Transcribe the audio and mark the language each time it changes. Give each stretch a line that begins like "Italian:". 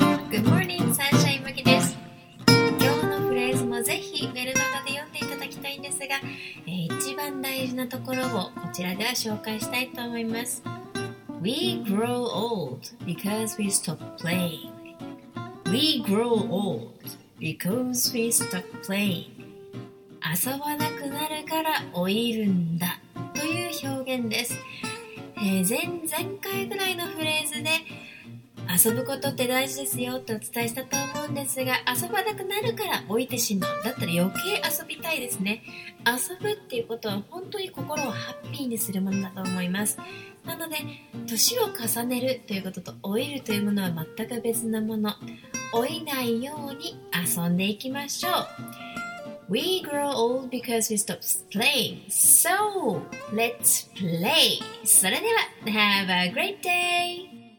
English: Good morning, Sunshine
Japanese: m a です。今日のフレーズもぜひメルマガで読んでいただきたいんですが、一番大事なところをこちらでは紹介したいと思います。
English: We grow old because we stop playing. We grow old because we stop playing.
Japanese: 遊ばなくなるから老いるんだという表現です。前々回ぐらいのフレーズで遊ぶことって大事ですよってお伝えしたと思うんですが、遊ばなくなるから老いてしまう。だったら余計遊びたいですね。遊ぶっていうことは本当に心をハッピーにするものだと思います。なので年を重ねるということと老いるというものは全く別なもの。老いないように遊んでいきましょう。
English: We grow old because we stop playing. So let's play.
Japanese: それでは
English: Have a great day.